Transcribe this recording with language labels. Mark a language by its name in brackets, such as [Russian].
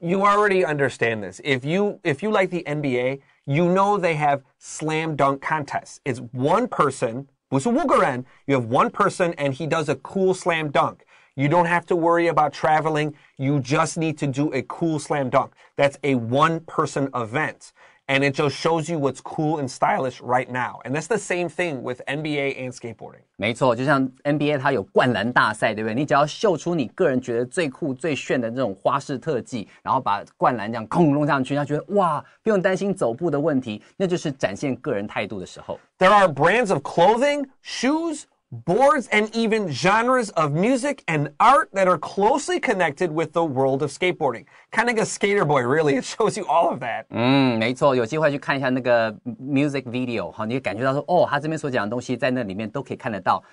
[English] You already understand this If you like the NBA You know they have slam dunk contests It's one person [Chinese] 不是五个人 [English] You have one person and he does a cool slam dunkYou don't have to worry about traveling. You just need to do a cool slam dunk. That's a one-person event. And it just shows you what's cool and stylish right now. And that's the same thing with NBA and skateboarding. [Chinese] 没错，就像 NBA 它有灌篮大赛，对不对？你只要秀出你个人觉得最酷、最炫的这种花式特技，然后把灌篮这样空弄上去，他觉得哇，不用担心走步的问题，那就是展现个人态度的时候。 [English] There are brands of clothing, shoes,boards and even genres of music and art that are closely connected with the world of skateboarding. Kind of like a skater boy, really. It shows you all of that. [Chinese] 嗯，没错，有机会去看一下那个 music video， 好，你会感觉到说，哦，他这边所讲的东西在那里面都可以看得到。